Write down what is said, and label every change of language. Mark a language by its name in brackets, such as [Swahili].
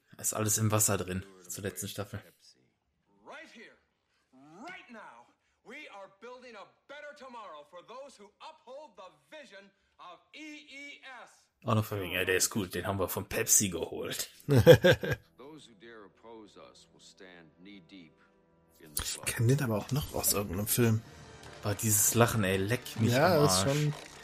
[German] Ist alles im Wasser drin, zur letzten Staffel. [English] Right here, right now, we are building a better tomorrow for those who uphold the vision of EES. [German] Oh, noch von wegen, ja, der ist gut, den haben wir von Pepsi geholt. [English] Those who dare oppose us will stand knee-deep. [German] Ich kenne den aber auch noch aus irgendeinem Film. Boah, dieses Lachen, ey, leck mich am Arsch. Ja, ist schon...